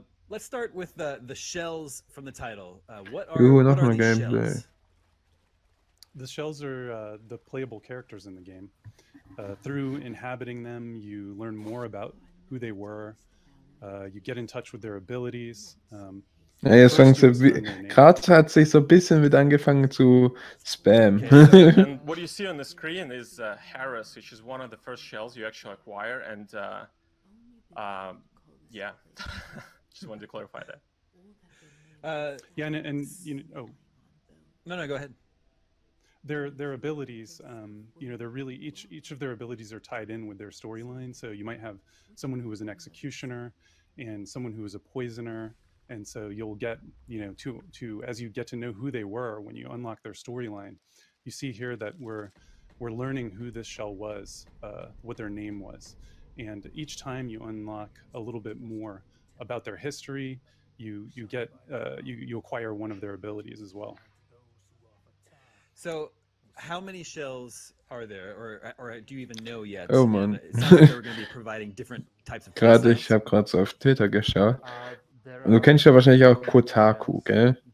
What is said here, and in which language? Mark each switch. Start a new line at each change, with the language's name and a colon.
English: Let's start with the shells from the title. What are the shells? The shells are the playable characters in the game. Through inhabiting them, you learn more about who they were. You get in touch with their abilities.
German: Kratz hat sich so ein bisschen mit angefangen zu spam.
English: Okay, so, what you see on the screen is Harris, which is one of the first shells you actually acquire. And just wanted to clarify that. No, go ahead. Their abilities, they're really each of their abilities are tied in with their storyline. So you might have someone who was an executioner and someone who was a poisoner. And so you'll get, as you get to know who they were, when you unlock their storyline, you see here that we're learning who this shell was, what their name was. And each time you unlock a little bit more about their history, you acquire one of their abilities as well. So how many shells are there, or do you even know yet? Oh man. It sounds like they were going to be providing different types of
German: gerade presets. Ich habe gerade so auf Twitter geschaut. Und du kennst ja wahrscheinlich auch Kotaku, gell?